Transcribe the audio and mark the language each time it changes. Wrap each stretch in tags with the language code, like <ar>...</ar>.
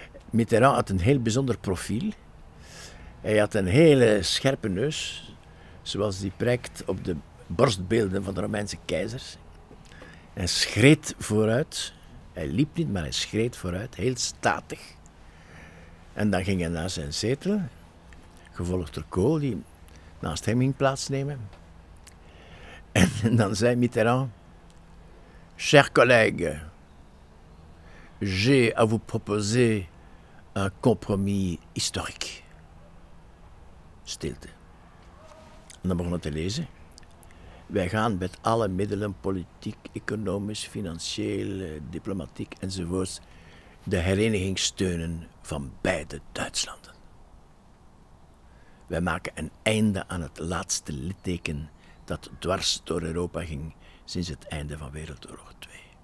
<nl>Mitterrand had een heel bijzonder profiel. Hij had een hele scherpe neus, zoals die prijkt op de borstbeelden van de Romeinse keizers. Hij schreed vooruit. Hij liep niet, maar hij schreed vooruit, heel statig. En dan ging hij naar zijn zetel, gevolgd door Kohl, die naast hem ging plaatsnemen. En dan zei Mitterrand,</nl> <fr>cher collègue, j'ai à vous proposer un compromis historique.</fr> <nl>Stilte. En dan begon hij te lezen. Wij gaan met alle middelen, politiek, economisch, financieel, diplomatiek enzovoorts, de hereniging steunen van beide Duitslanden. Wij maken een einde aan het laatste litteken dat dwars door Europa ging sinds het einde van Wereldoorlog II.</nl>